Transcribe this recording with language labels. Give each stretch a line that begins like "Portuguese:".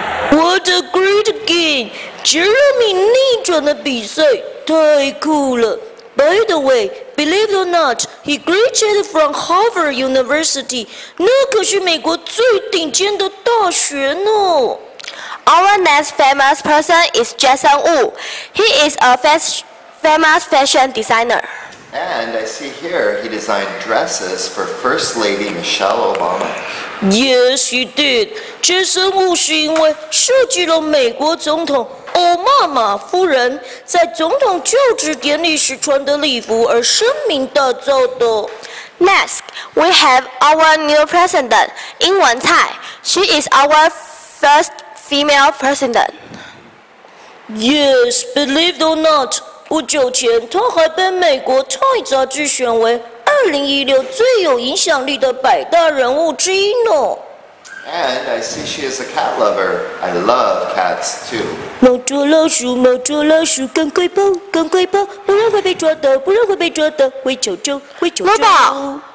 English: What a great game!
Chinese: Jeremy 逆转的比赛太酷了。
English: By the way, believe it or not, he graduated from Harvard University.
Chinese: 那可是美国最顶尖的大学呢。
English: Our next famous person is Jason Wu. He is a famous fashion designer. And I see here he designed dresses for First Lady Michelle Obama. Yes, he did.
Chinese: Jason Wu 是因为设计了美国总统奥巴马夫人在总统就职典礼时穿的礼服而声名大噪的。
English: Next, we have our new president, Ing Wen Cai. She is our first female president. Yes, believe it or not,
Chinese: 不久前她还被美国《Time》杂志选为2016最有影响力的百大人物之一呢。
English: And I see she is a cat lover. I love cats too.
Chinese: 猫捉老鼠，猫捉老鼠，赶快跑，赶快跑，不然会被抓到，不然会被抓到，灰球球，灰球球。